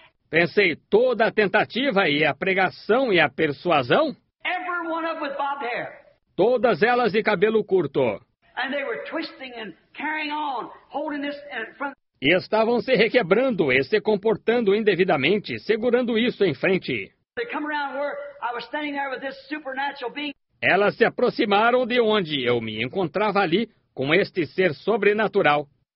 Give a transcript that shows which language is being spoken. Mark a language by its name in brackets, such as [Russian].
[Portuguese] Pensei, toda a tentativa e a pregação e a persuasão. [English] Every one of with bob hair. [Portuguese] Todas elas de cabelo curto. [English] And they were twisting and carrying on, holding this in front. [Portuguese] E estavam se requebrando e se comportando indevidamente, segurando isso em frente. [English] They come around where I was standing there with this supernatural being. [Portuguese] Elas se aproximaram de onde eu me encontrava ali com este ser sobrenatural.